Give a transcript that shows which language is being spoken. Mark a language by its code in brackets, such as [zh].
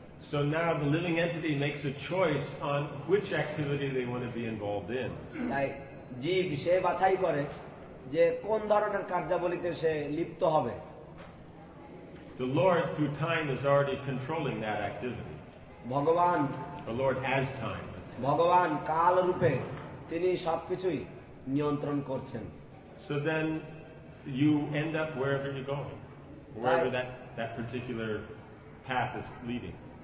[en] So now the living entity makes a choice on which activity they want to be involved in. [bn] জীব সে বাছাই করে যে কোন ধরনের কার্যাবলীতে সে লিপ্ত হবে [en] The Lord, through time, is already controlling that activity. Bhagavan. The Lord has time. [bn] Bhagavan, kal rupe, tini sab kichui niyontron korchen. [en] So then, you end up wherever you're going, wherever that particular path is leading.